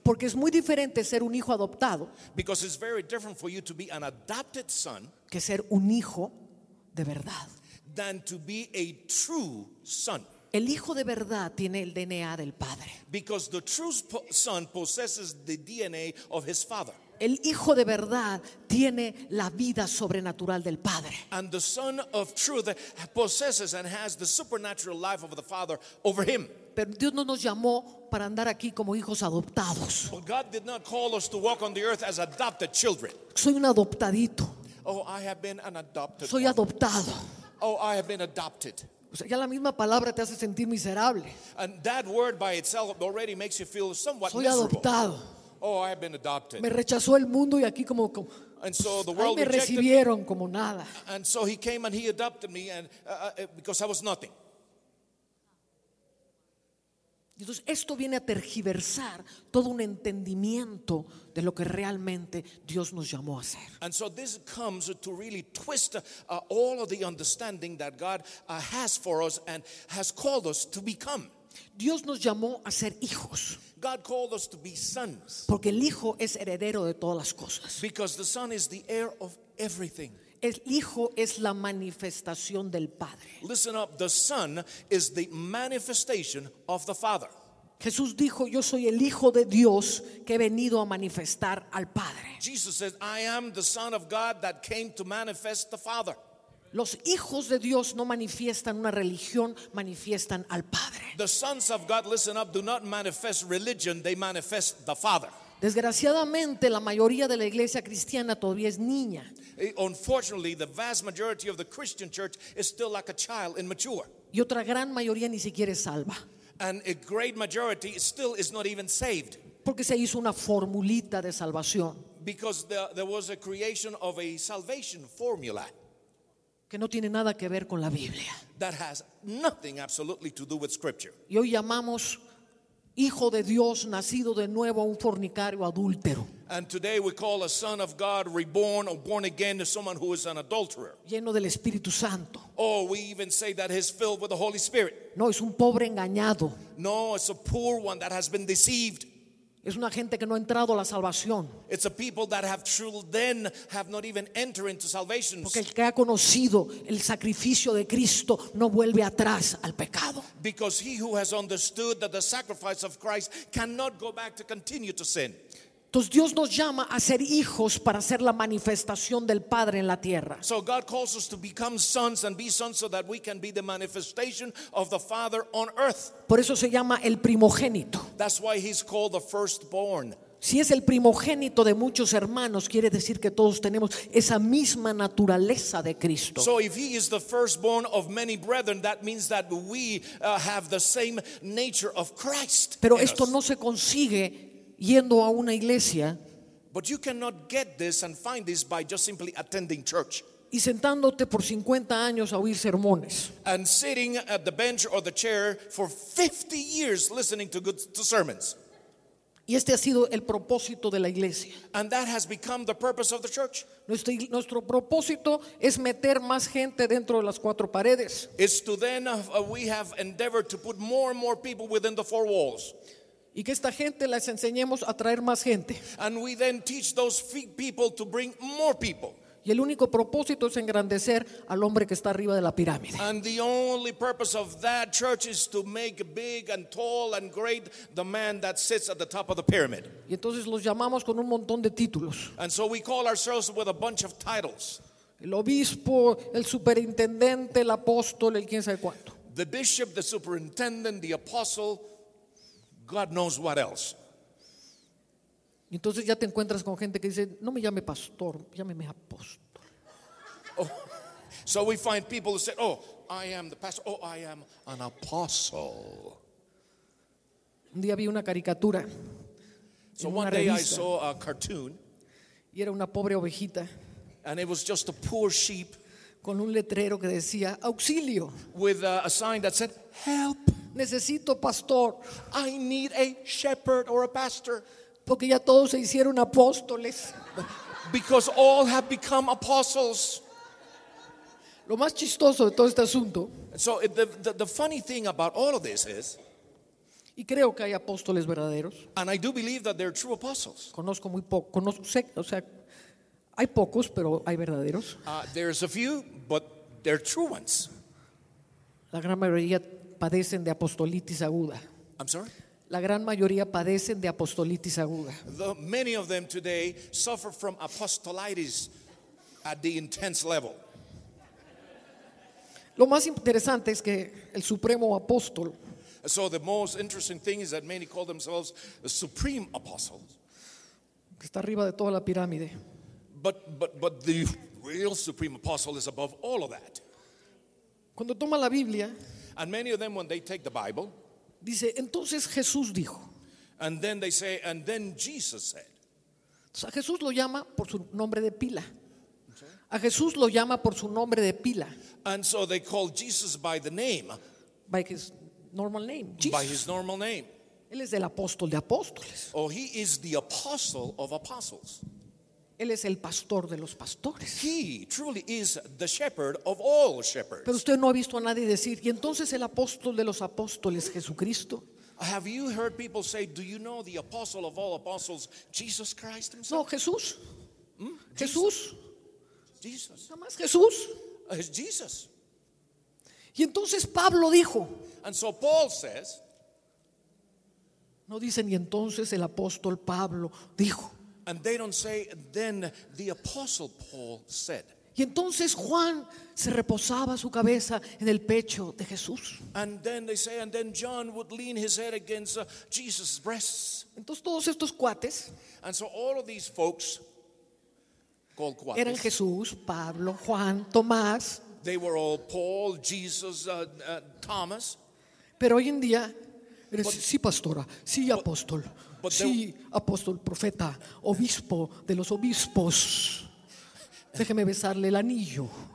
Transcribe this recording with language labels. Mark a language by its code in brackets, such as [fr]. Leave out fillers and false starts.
[es] Porque es muy diferente ser un hijo adoptado. [en] Because it's very different for you to be an adopted son. [es] Que ser un hijo de verdad. [en] Than to be a true son. [es] El hijo de verdad tiene el DNA del padre. [en] Because the true son possesses the DNA of his father. [es] El hijo de verdad tiene la vida sobrenatural del padre. [en] And the son of truth possesses and has the supernatural life of the father over him. [es] Pero Dios no nos llamó para andar aquí como hijos adoptados. [en] But God did not call us to walk on the earth as adopted children. [es] Soy un adoptadito. [en] Oh, I have been an adopted. [es] Soy one. Adoptado. [en] Oh, I have been adopted. [es] O sea, ya la misma palabra te hace sentir miserable. [en] And that word by itself already makes you feel somewhat miserable. [es] Soy adoptado. [en] Oh, I have been adopted. [es] Me rechazó el mundo y aquí como, como [en] and so the world [es] me recibieron como nada. [en] And so he came and he adopted me and because I was nothing. [es] Entonces esto viene a tergiversar todo un entendimiento de lo que realmente Dios nos llamó a hacer. [en] And so this comes to really twist all of the understanding that God has for us and has called us to become. [es] Dios nos llamó a ser hijos. [en] God called us to be sons. [es] Porque el hijo es heredero de todas las cosas. [en] Because the son is the heir of everything. [es] El hijo es la manifestación del Padre. [en] Listen up, the son is the manifestation of the Father. [es] Jesús dijo, yo soy el hijo de Dios que he venido a manifestar al Padre. [en] Jesus said, I am the son of God that came to manifest the Father. [es] Los hijos de Dios no manifiestan una religión, manifiestan al Padre. [en] The sons of God, listen up, do not manifest religion, they manifest the Father. [es] Desgraciadamente, la mayoría de la iglesia cristiana todavía es niña. [en] Unfortunately, the vast majority of the Christian church is still like a child, immature. [es] Y otra gran mayoría ni siquiera es salva. [en] And a great majority still is not even saved. [es] Porque se hizo una formulita de salvación. [en] because there was a creation of a salvation formula [es] que no tiene nada que ver con la Biblia. [en] That has nothing absolutely to do with scripture. [es] Y hoy llamamos hijo de Dios nacido de nuevo a un fornicario adúltero. [en] And today we call a son of God reborn or born again to someone who is an adulterer. [es] Lleno del Espíritu Santo. [en] Oh, we even say that he's filled with the Holy Spirit. [es] No, es un pobre engañado. [en] No, it's a poor one that has been deceived. [es] Es una gente que no ha entrado a la salvación. [en] It's a people that have truly then have not even entered into salvation. [es] Porque el que ha conocido el sacrificio de Cristo no vuelve atrás al pecado. [en] Because he who has understood that the sacrifice of Christ cannot go back to continue to sin. [es] Entonces Dios nos llama a ser hijos para ser la manifestación del Padre en la tierra. [en] So God calls us to become sons and be sons so that we can be the manifestation of the Father on earth. [es] Por eso se llama el primogénito. [en] That's why he's called the firstborn. [es] Si es el primogénito de muchos hermanos, quiere decir que todos tenemos esa misma naturaleza de Cristo. [en] So if he is the firstborn of many brethren, that means that we have the same nature of Christ. [es] Pero esto no se consigue yendo a una iglesia. [en] But you cannot get this and find this by just simply attending church. [es] Y sentándote por 50 años a oír sermones. [en] And sitting at the bench or the chair for 50 years listening to good to sermons. [es] Y este ha sido el propósito de la iglesia. [en] And that has become the purpose of the church. [es] Nuestro propósito es meter más gente dentro de las cuatro paredes. [en] It's to then we have endeavored to put more and more people within the four walls. [es] Y que esta gente les enseñemos a traer más gente. [en] And we then teach those people to bring more people. [es] Y el único propósito es engrandecer al hombre que está arriba de la pirámide. [en] And the only purpose of that church is to make big and tall and great the man that sits at the top of the pyramid. [es] Y entonces los llamamos con un montón de títulos. [en] And so we call ourselves with a bunch of titles. [es] El obispo, el superintendente, el apóstol, el quién sabe cuánto. [en] The bishop, the superintendent, the apostle, God knows what else. [es] Entonces ya te encuentras con gente que dice, no me llame pastor, llámeme apóstol. [en] Oh, so we find people who say, oh, I am the pastor, oh, I am an apostle. [es] Un día vi una caricatura. [en] So one day I saw a cartoon. [es] Y era una pobre ovejita. [en] And it was just a poor sheep. [es] Con un letrero que decía, auxilio. [en] With a sign that said, help. [es] Necesito pastor. [en] I need a shepherd or a pastor. [es] Porque ya todos se hicieron apóstoles. [en] Because all have become apostles. [es] Lo más chistoso de todo este asunto. [en] So the funny thing about all of this is. [es] Y creo que hay apóstoles verdaderos. [en] And I do believe that they're true apostles. [es] Conozco muy poco. O sea, hay pocos, pero hay verdaderos. [en] There's a few, but they're true ones. [es] La gran mayoría padecen de apostolitis aguda. [en] I'm sorry? [es] La gran mayoría padecen de apostolitis aguda. [en] Many of them today suffer from apostolitis at the intense level. [es] Lo más interesante es que el supremo apóstol. [en] So the most interesting thing is that many call themselves the supreme apostle. [es] Que está arriba de toda la pirámide. [en] But the real supreme apostle is above all of that. [es] Cuando toma la Biblia, [en] and many of them, when they take the Bible, [es] dice, entonces Jesús dijo. [en] And then they say, and then Jesus said. [es] Entonces, a Jesús lo llama por su nombre de pila. A Jesús lo llama por su nombre de pila. [en] And so they call Jesus by the name. By his normal name. Jesus. By his normal name. [es] Él es el apóstol de apóstoles. [en] Oh, he is the apostle of apostles. [es] Él es el pastor de los pastores. [en] He truly is the shepherd of all shepherds. [es] Pero usted no ha visto a nadie decir, ¿y entonces el apóstol de los apóstoles, Jesucristo? [en] Have you heard people say, do you know the apostle of all apostles, Jesus Christ himself? [es] No, Jesús. Jesús. [en] Jesus. [es] Nada más Jesús. Es Jesus. Y entonces Pablo dijo. [en] And so Paul says. [es] No dicen, y entonces el apóstol Pablo dijo. [en] And they don't say, then the apostle Paul said. [es] Y entonces Juan se reposaba su cabeza en el pecho de Jesús. [en] And then they say, and then John would lean his head against Jesus' breasts. [es] Entonces todos estos cuates. [en] And so all of these folks called cuates. [es] Eran Jesús, Pablo, Juan, Tomás. [en] They were all Paul, Jesus, Thomas. [es] Pero hoy en día Sí, pastora. Sí, apóstol. Sí, apóstol, profeta, obispo de los obispos. Déjeme besarle el anillo.